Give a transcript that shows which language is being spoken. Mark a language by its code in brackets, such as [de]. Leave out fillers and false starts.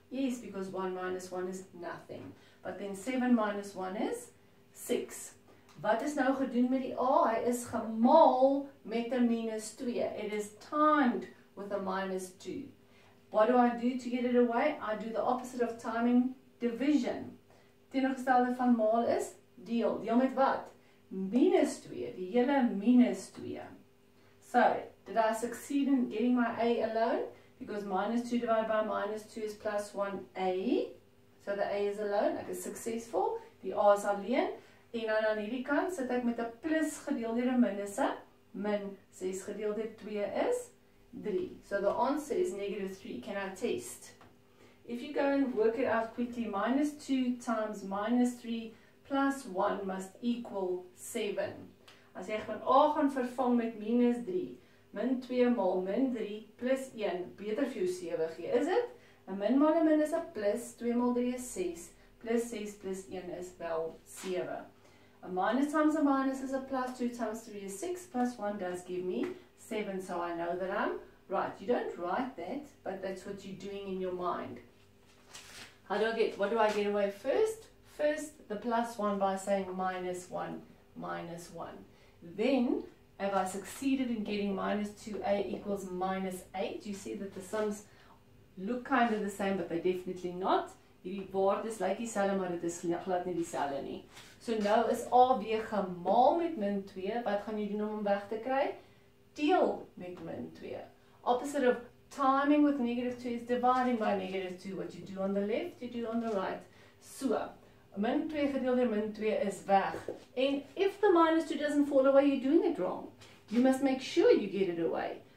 [en] Yes, because 1 minus 1 is nothing. But then 7 minus 1 is 6. [af] Wat is nou gedoen met die A? Hy is gemaal met 'n minus 2. [en] It is timed with a minus 2. What do I do to get it away? I do the opposite of timing, division. [af] Teenoorgestelde van maal is deel. Deel met wat? Minus 2. Die hele minus 2. [en] So, did I succeed in getting my A alone? Because minus 2 divided by minus 2 is plus 1 A. So the A is alone. [af] Ek is successful. Die A is alleen. En dan aan hierdie kant sit ek met 'n plus gedeel deur 'n minus. Min 6 gedeel deur 2 is 3. [en] So the answer is negative 3. Can I test? If you go and work it out quickly, minus 2 times minus 3 plus 1 must equal 7. [af] As jy van A gaan vervang met minus 3, min 2 maal min 3 plus 1, beter vir jou 7 gee, is het? Een min maal een min is een plus, 2 maal 3 is 6, plus 6 plus 1 is wel 7. [en] A minus times a minus is a plus, 2 times 3 is 6, plus 1 does give me 7, so I know that I'm right. You don't write that, but that's what you're doing in your mind. What do I get away first? First, the plus 1 by saying minus 1, minus 1. Then, have I succeeded in getting minus 2a equals minus 8? You see that the sums look kind of the same, but they're definitely not. [af] Hierdie waarde is like die selle, maar dit is glad nie die selle nie. So nou is A weer gemaal met min 2. Wat gaan jy doen om hom weg te kry? Deel met min 2. [en] Opposite of timing with negative 2 is dividing by negative 2. What you do on the left, you do on the right. [af] So, min 2 gedeel deur min 2 is weg. [en] And if the minus 2 doesn't fall away, you're doing it wrong. You must make sure you get it away.